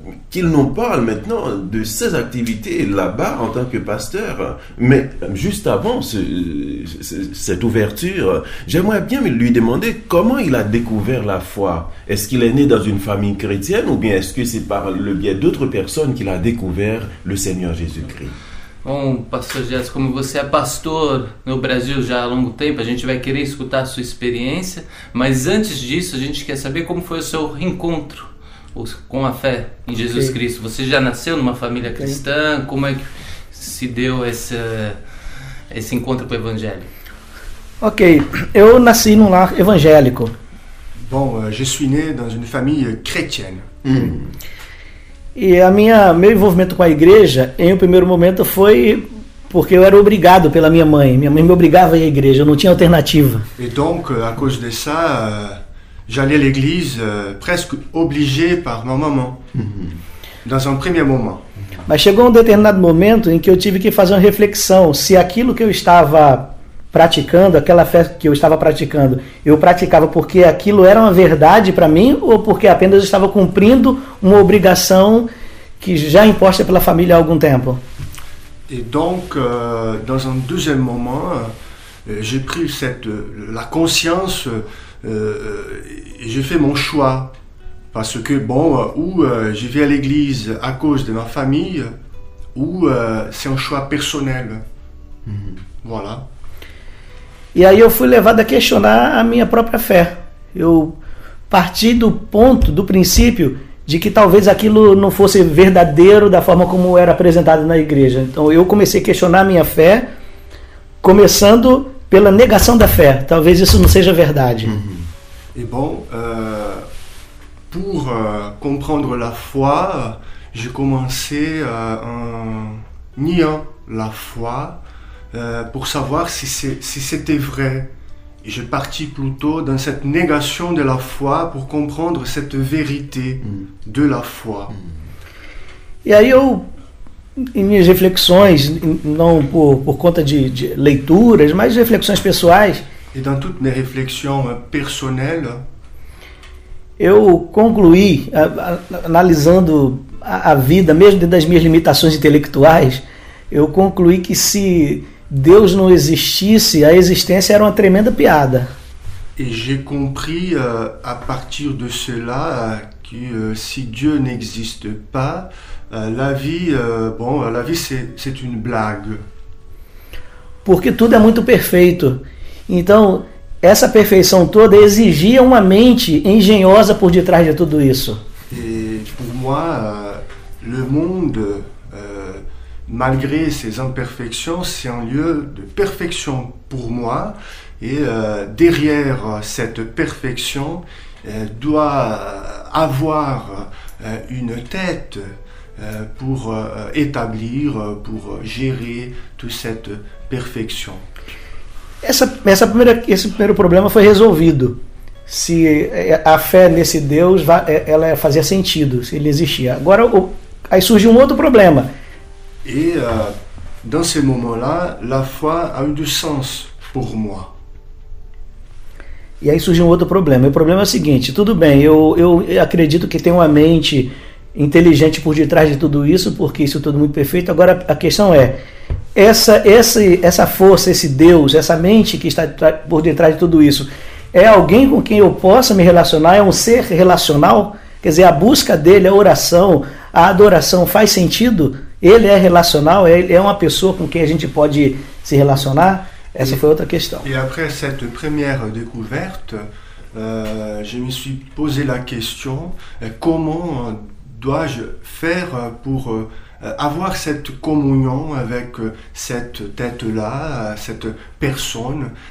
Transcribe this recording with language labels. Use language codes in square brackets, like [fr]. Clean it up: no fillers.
[fr] Qu'il nous parle maintenant de ses activités là-bas en tant que pasteur. Mais juste avant cette ouverture, j'aimerais bien lui demander comment il a découvert la foi. Est-ce qu'il est né dans une famille chrétienne ou bien est-ce que c'est par le biais d'autres personnes qu'il a découvert le Seigneur Jésus-Christ? [pt] Bom, pastor Jazz, como você é pastor no Brasil já há longo tempo, a gente vai querer escutar a sua experiência, mas antes disso a gente quer saber como foi o seu reencontro com a fé em Jesus Cristo. Você já nasceu numa família cristã, como é que se deu esse encontro com o Evangelho? Ok, eu nasci num lar evangélico. [fr] Bom, je suis né dans une famille chrétienne. [pt] E a meu envolvimento com a igreja, em um primeiro momento, foi porque eu era obrigado pela minha mãe. Minha mãe me obrigava a ir à igreja, eu não tinha alternativa. Então, [fr] a causa de ça, j'allais à l'église presque obligé par ma maman, dans un premier moment. [pt] Mas chegou um determinado momento em que eu tive que fazer uma reflexão se aquilo que eu estava praticando, aquela fé que eu estava praticando, eu praticava porque aquilo era uma verdade para mim ou porque apenas estava cumprindo uma obrigação que já imposta pela família há algum tempo. [fr] E donc dans un deuxième moment, j'ai pris la conscience et j'ai fait mon choix parce que bon, je vais à l'église à cause de ma famille ou c'est un choix personnel. Voilà. [pt] E aí eu fui levado a questionar a minha própria fé. Eu parti do ponto, do princípio, de que talvez aquilo não fosse verdadeiro da forma como era apresentado na igreja. Então eu comecei a questionar a minha fé, começando pela negação da fé. Talvez isso não seja verdade. E bom, [fr] pour comprendre la foi, j'ai commencé à nier la foi. Pour savoir si c'était vrai. Et je partis plutôt dans cette négation de la foi pour comprendre cette vérité de la foi. [pt] Et aí eu, em minhas reflexões, não por conta de leituras, mas reflexões pessoais. [fr] Et dans toutes mes réflexions personnelles, [pt] eu concluí, analisando a vida, mesmo dentro das minhas limitações intelectuais, eu concluí que se Deus não existisse, a existência era uma tremenda piada. [fr] E j'ai compris a partir de cela que si Dieu n'existe pas, la vie c'est une blague. [pt] Porque tudo é muito perfeito. Então, essa perfeição toda exigia uma mente engenhosa por detrás de tudo isso. [fr] E pour moi, le monde malgré ses imperfections, c'est un lieu de perfection pour moi. Et derrière cette perfection, doit avoir une tête, pour établir, pour gérer toute cette perfection. [pt] Esse primeiro problema foi resolvido. Se a fé nesse Deus, ela fazia sentido, se ele existia. Agora, aí surgiu um outro problema. [fr] E, dans ce moment-là, la foi a eu du sens pour moi. [pt] E aí surgiu um outro problema. O problema é o seguinte, tudo bem, eu acredito que tem uma mente inteligente por detrás de tudo isso, porque isso é tudo muito perfeito. Agora, a questão é, essa força, esse Deus, essa mente que está por detrás de tudo isso, é alguém com quem eu possa me relacionar? É um ser relacional? Quer dizer, a busca dele, a oração, a adoração faz sentido? Ele é relacional? É uma pessoa com quem a gente pode se relacionar? Essa foi outra questão. [fr] E après cette première découverte, je me suis posé la question, comment dois-je faire pour avoir cette communion avec cette tête-là, cette personne?